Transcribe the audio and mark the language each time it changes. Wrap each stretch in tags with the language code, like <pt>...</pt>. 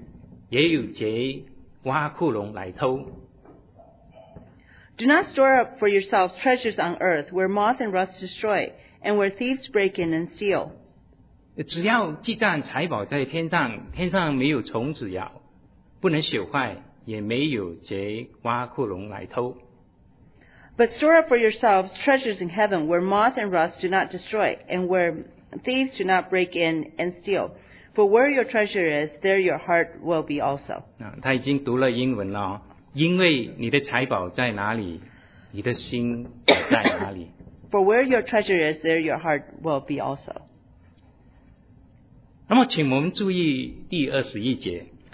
<zh>不要为自己积攒财宝在地上，地上有虫子咬，能朽坏，也有贼挖窟窿来偷。</zh> <en>Do not store up for yourselves treasures on earth, where moth and rust destroy, and where thieves break in and steal.</en> <zh>只要积攒财宝在天上，天上没有虫子咬，不能朽坏，也没有贼挖窟窿来偷。</zh> <en>But store up for yourselves treasures in heaven, where moth and rust do not destroy, and where thieves do not break in and steal. For where your treasure is, there your heart will be also.</en> <zh>他已经读了英文了，因为你的财宝在哪里，你的心也在哪里。</zh> <en>For where your treasure is, there your heart will be also.</en> <zh>那么请我们注意第二十一节。</zh>